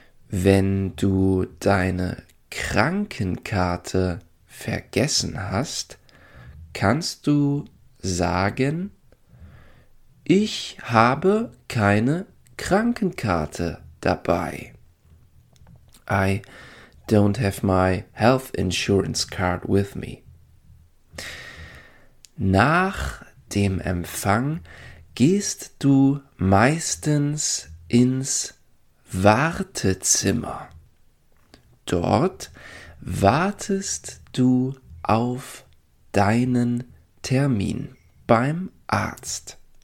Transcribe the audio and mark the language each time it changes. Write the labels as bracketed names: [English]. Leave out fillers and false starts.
[German] Wenn du deine Krankenkarte vergessen hast, kannst du sagen: Ich habe keine Krankenkarte dabei. [English] I don't have my health insurance card with me. [German] Nach dem Empfang gehst du meistens ins Wartezimmer. Dort wartest du auf deinen Termin beim Arzt.